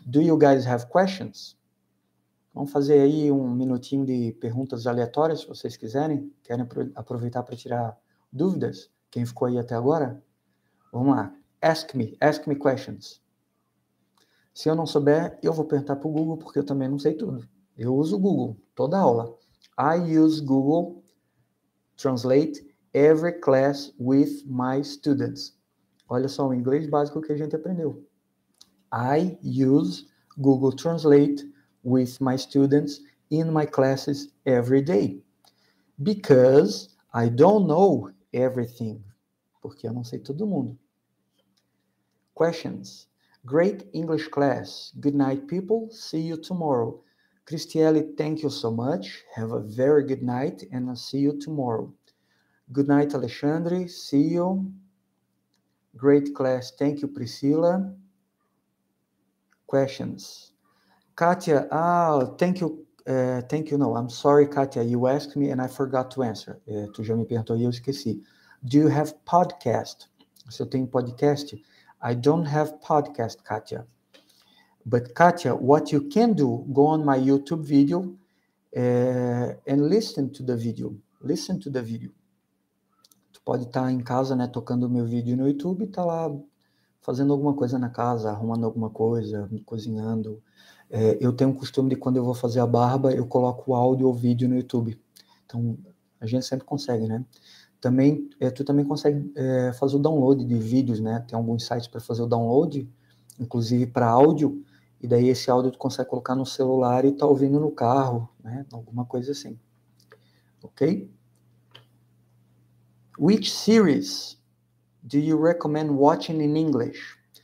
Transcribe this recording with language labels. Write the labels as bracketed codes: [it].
[en] Do you guys have questions? [pt] Vamos fazer aí um minutinho de perguntas aleatórias, se vocês quiserem. Querem aproveitar para tirar dúvidas? Quem ficou aí até agora? Vamos lá. [en] Ask me questions. [pt] Se eu não souber, eu vou perguntar para o Google, porque eu também não sei tudo. Eu uso o Google toda aula. [en] I use Google Translate every class with my students. [pt] Olha só o inglês básico que a gente aprendeu. [en] I use Google Translate with my students in my classes every day. Because I don't know everything. [pt] Porque eu não sei todo mundo. Questions. [en] Great English class. Good night, people. See you tomorrow. Cristiele, thank you so much. Have a very good night and I'll see you tomorrow. Good night, Alexandre. See you. Great class. Thank you, Priscila. Questions. Katia, I'm sorry, Katia, you asked me and I forgot to answer. [pt] Tu já me perguntou e eu esqueci. [en] Do you have podcast? [pt] Você tem podcast? [en] I don't have podcast, Katia. But Katia, what you can do, go on my YouTube video and listen to the video. Listen to the video. [pt] Tu pode estar em casa, né, tocando meu vídeo no YouTube, tá lá fazendo alguma coisa na casa, arrumando alguma coisa, cozinhando. Eu tenho o costume de quando eu vou fazer a barba, eu coloco o áudio ou vídeo no YouTube. Então, a gente sempre consegue, né? Também, tu também consegue fazer o download de vídeos, né? Tem alguns sites para fazer o download, inclusive para áudio. E daí esse áudio tu consegue colocar no celular e tá ouvindo no carro, né? Alguma coisa assim. Ok? [en] Which series do you recommend watching in English?